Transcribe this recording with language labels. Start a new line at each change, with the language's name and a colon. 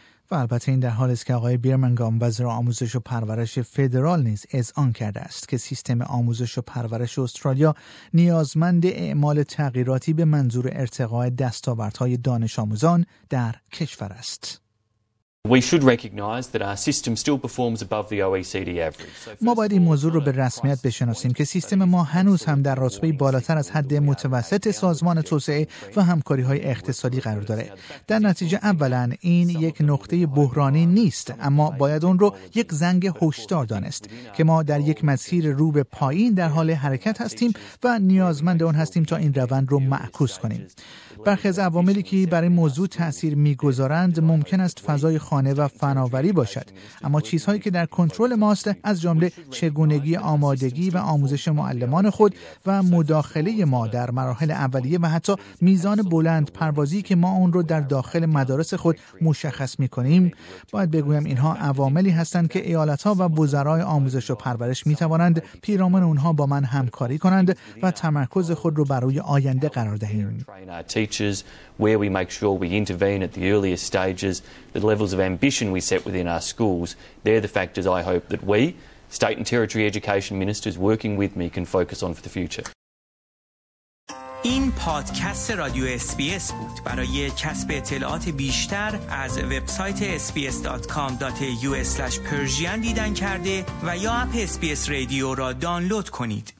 Persian: و البته این در حال است که آقای بیرمنگام وزیر آموزش و پرورش فدرال نیز اذعان کرده است که سیستم آموزش و پرورش استرالیا نیازمند اعمال تغییراتی به منظور ارتقای دستاوردهای دانش آموزان در کشور است.
English: We should recognize that our system still performs above the OECD average.
Persian: ما باید این موضوع رو به رسمیت بشناسیم که سیستم ما هنوز هم در رتبه بالاتر از حد متوسط سازمان توسعه و همکاری‌های اقتصادی قرار داره. در نتیجه اولاً این یک نقطه بحرانی نیست، اما باید اون رو یک زنگ هشدار دانست که ما در یک مسیر رو به پایین در حال حرکت هستیم و نیازمند اون هستیم تا این روند رو معکوس کنیم. برخی از عواملی که بر این موضوع تأثیر می‌گذارند ممکن است فضای خانه و فناوری باشد، اما چیزهایی که در کنترل ماست از جمله چگونگی آمادگی و آموزش معلمان خود و مداخله ما در مراحل اولیه و حتی میزان بلند پروازی که ما اون رو در داخل مدارس خود مشخص می‌کنیم، باید بگویم اینها عواملی هستند که ایالت‌ها و وزرای آموزش و پرورش می‌توانند پیرامون اونها با من همکاری کنند و تمرکز خود رو بر روی آینده قرار دهیم.
English: Where we make sure we intervene at the earliest stages, the levels of ambition we set within our schools, they're the factors I hope that we, state and territory education ministers working with me, can focus on for the future.
Persian: این پادکست رادیو SBS بود. برای کسب اطلاعات بیشتر از وبسایت sbs.com.au/persian دیدن کرده و یا اپ SBS رادیو را دانلود کنید.